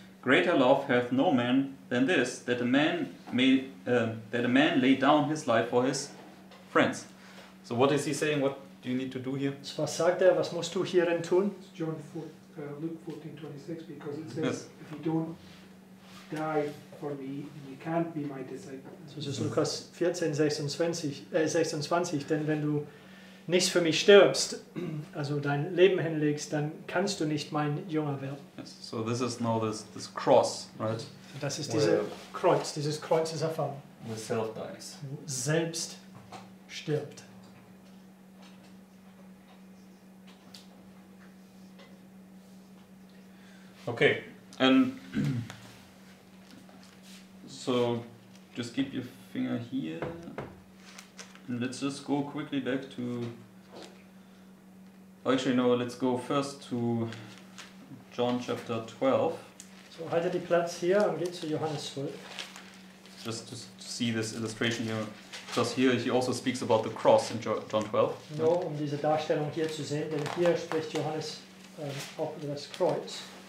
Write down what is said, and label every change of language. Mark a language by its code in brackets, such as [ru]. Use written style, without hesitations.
[en] Greater love hath no man than this, that a man lay down his life for his friends. So what is he saying? What do you need to do here? [de] So was sagt er? Was musst du hierin tun? [en] It's Luke 14:26, because it says, yes. If you don't die for me, you can't be my disciple. So it's [de] Lukas 14:26, denn wenn du nicht für mich stirbst, also dein Leben hinlegst, dann kannst du nicht mein Jünger werden. [en] Yes. So this is now this cross, right? [de] Das ist diese Kreuz, dieses Kreuz ist erfahren. [en] The self dies. [de] Selbst stirbt. [en] Okay, and so just keep your finger here and let's just go quickly back to, actually no, let's go first to John chapter 12. [de] So halte die Platz hier und geht zu Johannes 12. [en] Just to see this illustration here, because here he also speaks about the cross in John 12. [de] No, um diese Darstellung hier zu sehen, denn hier spricht Johannes auch über das Kreuz.